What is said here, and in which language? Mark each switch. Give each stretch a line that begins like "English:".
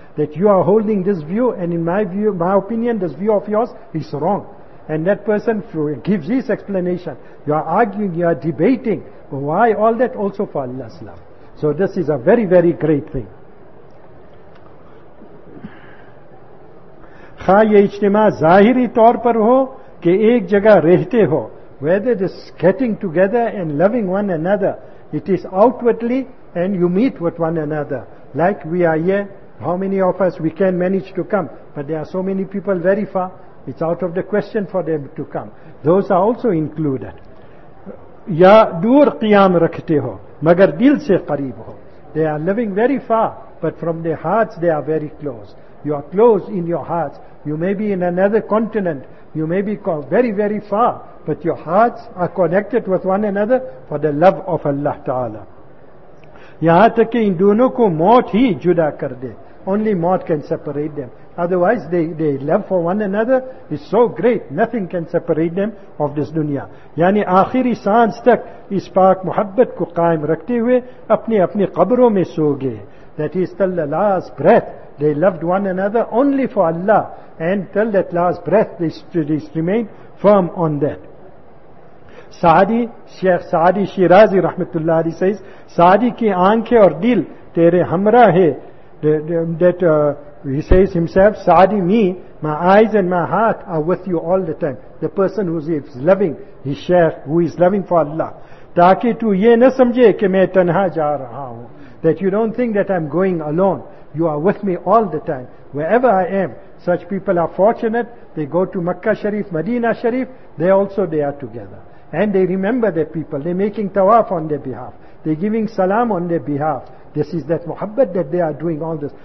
English: That you are holding this view, and in my opinion, this view of yours is wrong. And that person gives his explanation. You are arguing, you are debating. Why all that? Also for Allah's love. So this is a very, very great thing.
Urdu: خواہ یہ اجتماع ظاہری طور پر ہو کہ ایک جگہ رہتے ہو.
English: Whether this getting together and loving one another, it is outwardly, and you meet with one another. Like we are here. How many of us, we can manage to come, but there are so many people very far, it's out of the question for them to come. Those are also included.
Urdu: یا دور قیام رکھتے ہو مگر دل سے قریب ہو.
English: They are living very far, but from their hearts they are very close. You are close in your hearts. You may be in another continent, you may be very, very far, but your hearts are connected with one another for the love of Allah Ta'ala.
Urdu: یہاں تک کہ ان دونوں کو موت ہی جدا کر دے.
English: Only موت can separate them. Otherwise they love for one another is so great, nothing can separate them of this dunya.
Urdu: یعنی آخری سانس تک اس پاک محبت کو قائم رکھتے ہوئے اپنی اپنی قبروں میں سو گئے.
English: That is till the last breath they loved one another only for Allah, and till that last breath they remained firm on that.
Urdu: Saadi, Sheikh Saadi Shirazi رحمت اللہ علیہ says, سعدی کی آنکھیں اور دل تیرے ہمراہ ہے.
English: That he says himself, Saadi me, my eyes and my heart are with you all the time. The person who is loving, his شیخ, who is loving for Allah.
Urdu: تاکہ تو یہ نہ سمجھے کہ میں تنہا جا رہا ہوں.
English: That you don't think that I'm going alone. You are with me all the time. Wherever I am, such people are fortunate. They go to Makkah Sharif, Medina Sharif. They also, they are together. And they remember their people. They're making tawaf on their behalf. They're giving salam on their behalf. This is that muhabbat that they are doing all this.